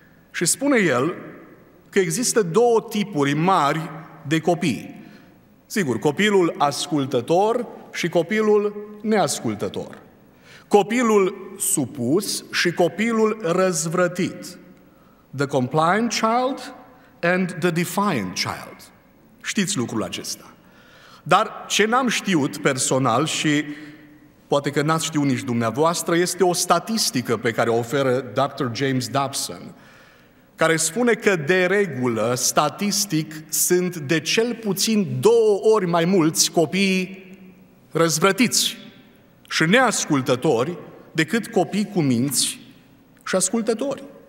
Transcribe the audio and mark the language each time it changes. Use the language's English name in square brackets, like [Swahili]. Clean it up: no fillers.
[Romanian] Și spune el că există două tipuri mari de copii. Sigur, copilul ascultător și copilul neascultător. Copilul supus și copilul răzvrătit. [English] The compliant child and the defiant child. [Romanian] Știți lucrul acesta. Dar ce n-am știut personal și poate că n-ați știut nici dumneavoastră, este o statistică pe care o oferă Dr. James Dobson, care spune că de regulă, statistic, sunt de cel puțin două ori mai mulți copii răzvrătiți și neascultători decât copii cu minți și ascultători.